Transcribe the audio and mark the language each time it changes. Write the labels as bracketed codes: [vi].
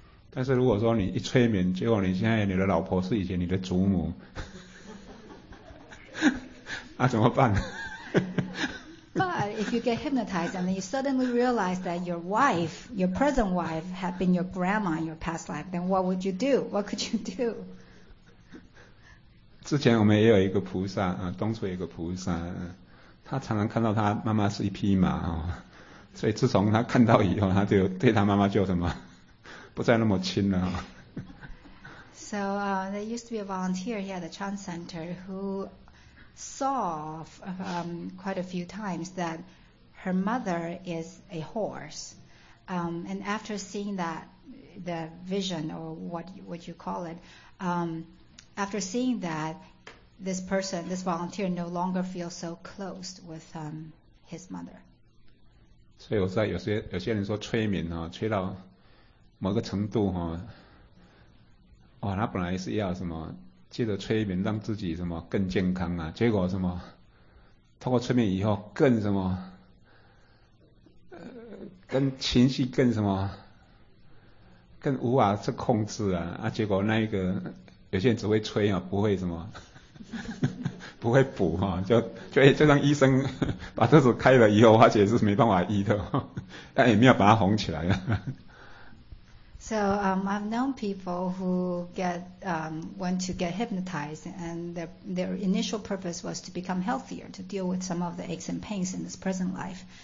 [zh] 但是如果说你一催眠，结果你现在你的老婆是以前你的祖母，那怎么办？ [en] But if you get hypnotized and then you suddenly realize that your wife, your present wife, had been your grandma in your past life, then what would you do? What could you do? [zh] 之前我们也有一个菩萨啊，东初有个菩萨，他常常看到他妈妈是一匹马啊，所以自从他看到以后，他就对他妈妈就什么，不再那么亲了。 [en] So there used to be a volunteer here at the Chan Center who. saw quite a few times that her mother is a horse. And after seeing that, the vision or what you call it, after seeing that, this person, this volunteer no longer feels so close with his mother. [zh] 所以我知道有些人说催眠哦，催到某个程度哦，哦，他本来是要什么借着催眠让自己什么更健康啊，结果什么通过催眠以后更什么跟情绪更什么更无法去控制啊，啊结果那一个有些人只会催啊，不会什么不会补啊，就让医生把这次开了以后发觉是没办法医的，但也没有把它哄起来啊。 [en] So I've known people who want to get hypnotized, and their initial purpose was to become healthier, to deal with some of the aches and pains in this present life.